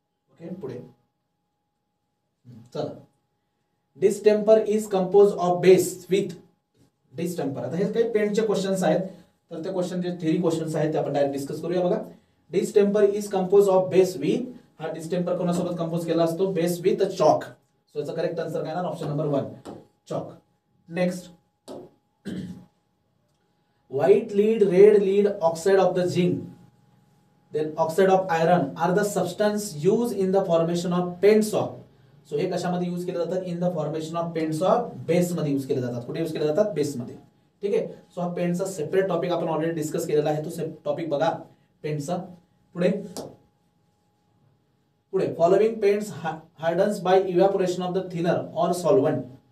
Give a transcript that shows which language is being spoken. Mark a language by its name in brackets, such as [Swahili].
[English] okay, [Marathi] पुढे चला. [English] Distemper is compose of base with distemper. [Marathi] आता हे काही पेंटचे क्वेश्चन आहेत, तर ते क्वेश्चन जे थेरी क्वेश्चन आहेत ते आपण डायरेक्ट डिस्कस करूया. बघा, [English] distemper is compose of base with, [Marathi] हा डिस्टेम्पर कोणासोबत कंपोज केला असतो, बेस विथ चॉक. सो याचा करेक्ट आन्सर काय ना, option number one chalk. [English] Next, white lead red lead oxide of the zinc then oxide of iron are the substance use in the formation of paints of. [Marathi] So हे कशामध्ये use केले जातात, [English] in the formation of paints of, [Marathi] base मध्ये use केले जातात. कुठे use केले जातात, बेस मध्ये. ठीक आहे, सो हा पेंटचा सेपरेट टॉपिक आपण ऑलरेडी डिस्कस केलेला आहे, तो टॉपिक बघा पेंटचा. पुढे पुढे, [English] Following paints hardens by evaporation of the thinner or solvent.